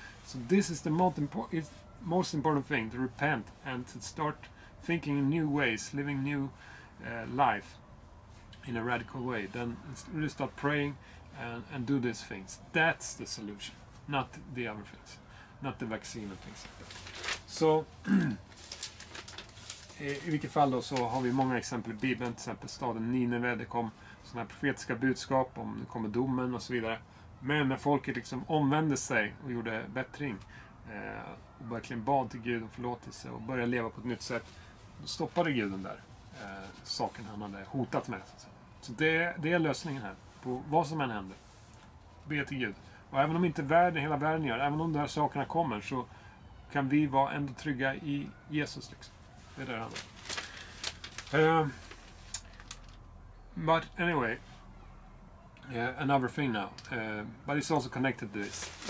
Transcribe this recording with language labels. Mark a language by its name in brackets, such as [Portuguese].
[English] So this is the most important thing: to repent and to start thinking in new ways, living new life in a radical way. Then really start praying. And do these things. That's the solution, not the other things, not the vaccine and things like that. [Swedish] So, i vilket fall då, så har vi många exempel i Bibeln, till exempel staden Nineveh, det kom sådana här profetiska budskap om det kommer domen och så vidare. Men när folket liksom omvände sig och gjorde bättring, och verkligen bad till Gud om förlåtelse och började leva på ett nytt sätt, då stoppade Gud den där. sakerna han hade hotat med. Så det är lösningen här på vad som än händer. Be till Gud. Och även om inte världen, hela världen gör, även om de här sakerna kommer, så kan vi vara ändå trygga i Jesus liksom. Det är det här. [English] But anyway, another thing now, but it's also connected to this.